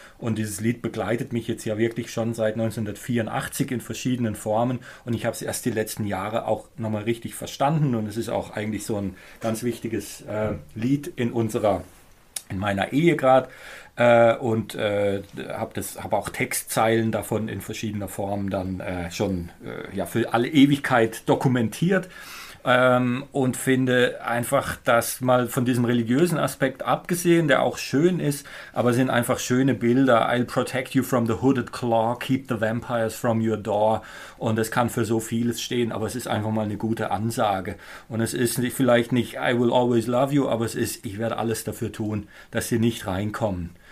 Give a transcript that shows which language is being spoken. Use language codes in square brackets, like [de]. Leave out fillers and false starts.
[de] und dieses Lied begleitet mich jetzt ja wirklich schon seit 1984 in verschiedenen Formen und ich habe es erst die letzten Jahre auch nochmal richtig verstanden und es ist auch eigentlich so ein ganz wichtiges Lied in meiner Ehe gerade und habe auch Textzeilen davon in verschiedener Form dann schon für alle Ewigkeit dokumentiert. Und finde einfach, dass mal von diesem religiösen Aspekt abgesehen, der auch schön ist, aber sind einfach schöne Bilder. [en] I'll protect you from the hooded claw, keep the vampires from your door. [de] Und es kann für so vieles stehen, aber es ist einfach mal eine gute Ansage. Und es ist vielleicht nicht [en] I will always love you, [de] aber es ist, ich werde alles dafür tun, dass sie nicht reinkommen.